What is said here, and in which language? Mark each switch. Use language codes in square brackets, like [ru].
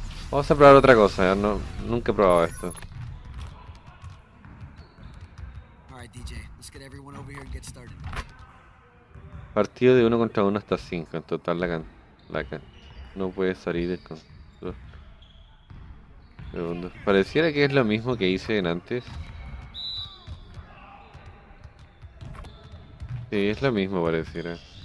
[es] Vamos a probar otra cosa, ya no, nunca he probado esto. [en] DJ, let's get everyone over here and get started. [es] Partido de uno contra uno hasta 5. En total la cancha no puede salir del control. Segundo. Pareciera que es lo mismo que hice en antes. Sí, es lo mismo pareciera.